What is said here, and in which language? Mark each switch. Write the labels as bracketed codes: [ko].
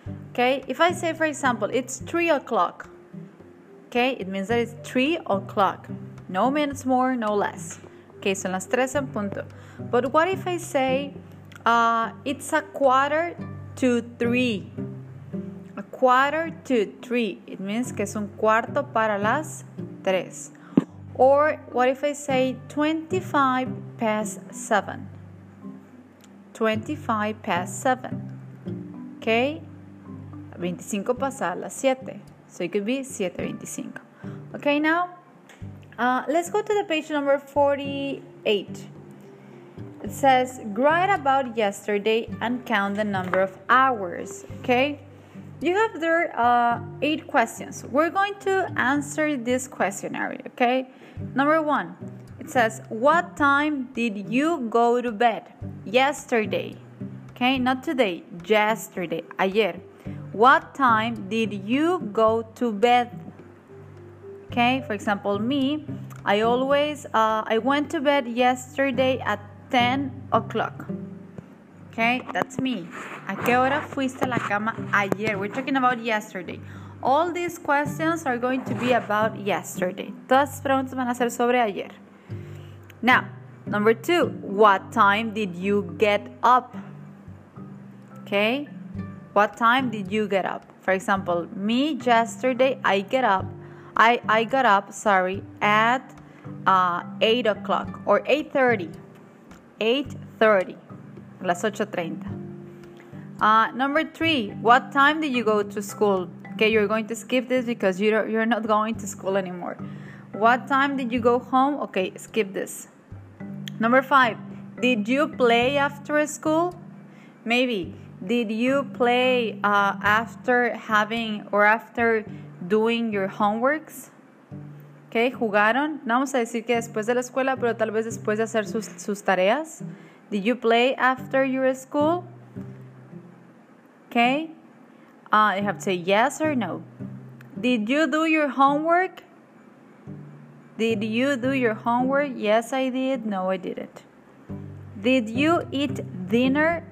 [en] Okay, if I say, for example, it's 3 o'clock, okay, it means that it's 3 o'clock. No minutes more, no less. Okay, [es] son las 3 en punto. [en] But what if I say it's a quarter to 3? A quarter to 3. It means [es] que es un cuarto para las 3. [en] Or what if I say 25 past 7? 25 past 7. Okay? [es] 25 pasadas las 7. [en] So it could be 7:25. Okay, now let's go to the page number 48. It says, write about yesterday and count the number of hours. Okay? You have there 8 questions. We're going to answer this questionnaire. Okay? Number 1. It says, what time did you go to bed? Yesterday, okay, not today, yesterday, ayer. What time did you go to bed? Okay, for example, me, I always, I went to bed yesterday at 10 o'clock. Okay, that's me. [es] ¿A qué hora fuiste a la cama ayer? [en] We're talking about yesterday. All these questions are going to be about yesterday. [es] Todas las preguntas van a ser sobre ayer. [en] Now, number 2, what time did you get up? Okay, what time did you get up? For example, me yesterday, I got up at 8 o'clock or 8:30. [es] 8:30, las 8:30. [en] Number 3, what time did you go to school? Okay, you're going to skip this because you're not going to school anymore. What time did you go home? Okay, skip this. Number 5, did you play after school? Maybe, did you play after having or after doing your homeworks? [es] Okay, jugaron. No vamos a decir que después de la escuela, pero tal vez después de hacer sus tareas. [en] Did you play after your school? Okay, you have to say yes or no. Did you do your homework? Did you do your homework? Yes, I did. No, I didn't. Did you eat dinner?